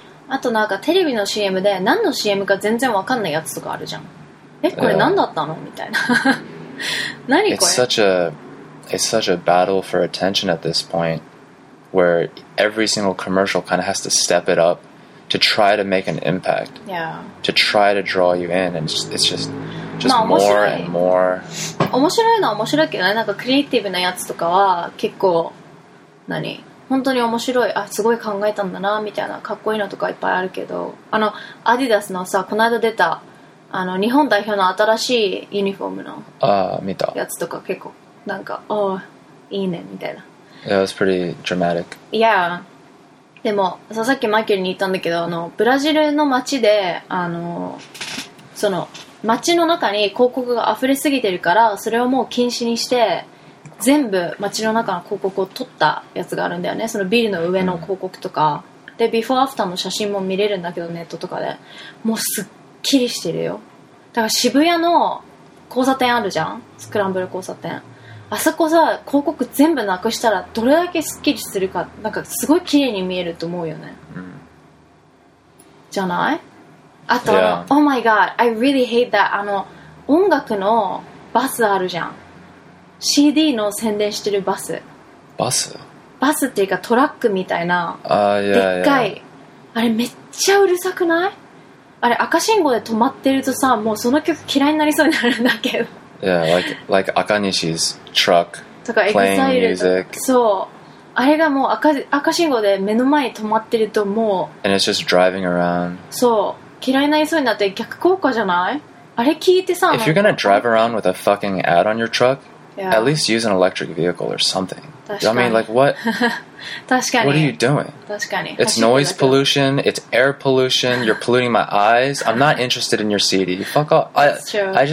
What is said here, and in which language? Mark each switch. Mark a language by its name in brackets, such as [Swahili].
[Japanese] あとなんかテレビの CM で何の CM か全然わかんないやつとかあるじゃん。え、これ何だったの？みたいな。何これ？ [English] It's such a battle for attention at this point where every single commercial kind of has to step it up to try to make an impact. Yeah. To try to draw you in and it's just more and more. [Japanese] 面白いのは面白いけどね。なんかクリエイティブなやつとかは結構何本当に面白い。あ、すごい考えたんだなみたいなかっこいいのとかいっぱいあるけど、あのアディダスのさこの間出たあの日本代表の新しいユニフォームのやつとか結構なんかおいいねみたいな。 [English] It was pretty dramatic. Yeah. [Japanese] でもさっきマイケルに言ったんだけどあのブラジルの街であのその街の中に広告が溢れすぎてるからそれをもう禁止にして全部街の中の広告を撮ったやつがあるんだよね。そのビルの上の広告とか、うん、でビフォーアフターの写真も見れるんだけどネットとかで、もうすっきりしてるよ。だから渋谷の交差点あるじゃん、スクランブル交差点、あそこさ広告全部なくしたらどれだけすっきりするか、なんかすごい綺麗に見えると思うよね、うん、じゃない。あとあの、 [English] yeah. Oh my god, I really hate that. [Japanese] あの音楽のバスあるじゃん、 CD の宣伝してるバス、バスバスっていうかトラックみたいな、 [English] yeah, [Japanese] でっかい、 [English] yeah. [Japanese] あれめっちゃうるさくない？あれ赤信号で止まってるとさ、もうその曲嫌いになりそうになるんだけど。 [English] Yeah, like 赤西's truck [Japanese] とか [English] playing music. [Japanese] そう、あれがもう 赤信号で目の前に止まってるともう。 [English] And it's just driving around. [Japanese] そう、嫌いになりそうになって逆効果じゃない？あれ聞いてさ。 [English] If you're gonna drive around with a fucking ad on your truck, yeah. at least use an electric vehicle or something. [Japanese] 確かに。 [English] I mean, like what? [Japanese] 確かに。 [English] What are you doing? [Japanese] 確かに。 [English] It's noise pollution. It's air pollution. You're polluting my eyes. I'm not interested in your CD. Fuck off. That's true.